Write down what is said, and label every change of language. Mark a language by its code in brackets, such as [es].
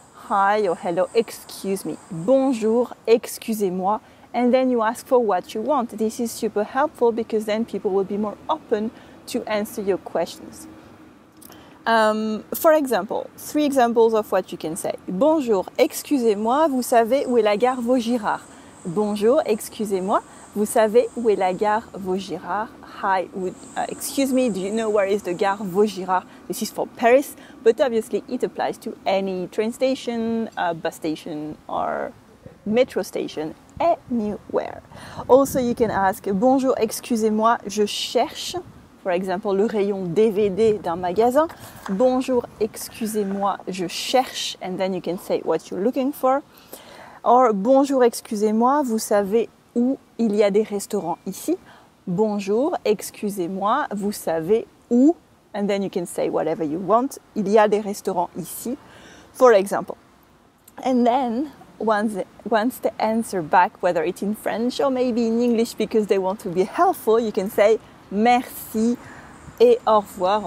[en] Hi or hello, excuse me. [fr] Bonjour, excusez-moi. [en] And then you ask for what you want. This is super helpful because then people will be more open to answer your questions. For example, three examples of what you can say. [fr] Bonjour, excusez-moi, vous savez où est la gare Vaugirard? Bonjour, excusez-moi, vous savez où est la gare Vaugirard? [en] Hi, excuse me, do you know where is the gare Vaugirard? This is for Paris, but obviously it applies to any train station, bus station, or metro station, anywhere. Also, you can ask, [fr] bonjour, excusez-moi, je cherche, [en] for example, [fr] le rayon DVD d'un magasin. Bonjour, excusez-moi, je cherche, [en] and then you can say what you're looking for. [fr] Or, bonjour, excusez-moi, vous savez où il y a des restaurants ici? Bonjour, excusez-moi, vous savez où? [en] And then you can say whatever you want. [fr] Il y a des restaurants ici, [en] for example. And then, once they answer back, whether it's in French or maybe in English because they want to be helpful, you can say [fr] merci et au revoir.